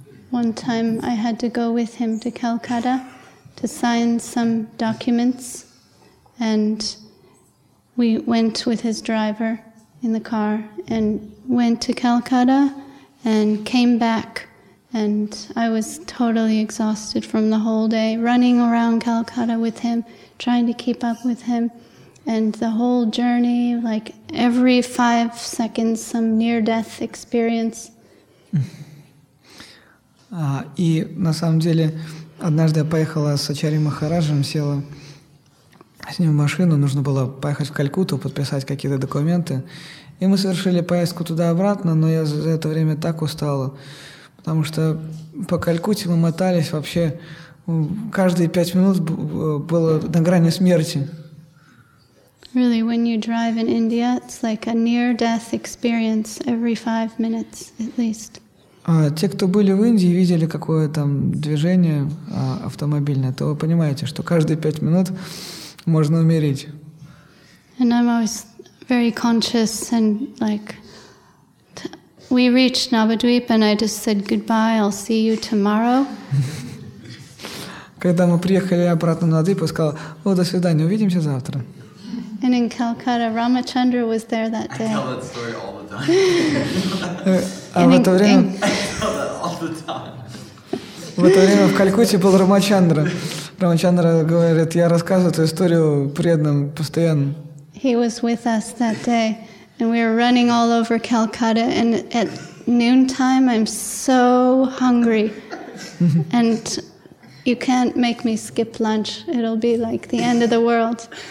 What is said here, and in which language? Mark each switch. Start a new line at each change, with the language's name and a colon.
English: One time I had to go with him to Calcutta to sign some documents, and we went with his driver in the car and went to Calcutta and came back, and I was totally exhausted from the whole day running around Calcutta with him, trying to keep up with him, and the whole journey, like every 5 seconds, some near-death experience.
Russian: И на самом деле однажды я поехала с Ачарьей Махараджем, села с ним в машину, нужно было поехать в Калькутту, подписать какие-то документы. И мы совершили поездку туда-обратно, но я за это время так устала, потому что по Калькутте мы мотались вообще, каждые 5 минут было на грани смерти.
English: Really, when you drive in India, it's like a near-death experience every 5 minutes at least.
Russian: Те, кто были в Индии и видели какое там движение автомобильное, то вы понимаете, что каждые 5 минут можно умереть.
English: And I'm always very conscious, and like we reached Navadvip and I just said goodbye, I'll see you tomorrow.
Russian: Когда мы приехали обратно на Навадвип, я сказала: «О, до свидания, увидимся завтра».
English: And in Calcutta, Ramachandra was there that day. I tell that story all the time.
Russian: А в это время?
English: I tell that all the time.
Russian: В это время в Калькутте был Рамачандра. Рамачандра говорит: «Я рассказываю эту историю преданным постоянно».
English: He was with us that day, and we were running all over Calcutta. And at noontime, I'm so hungry, and you can't make me skip lunch. It'll be like the end of the world.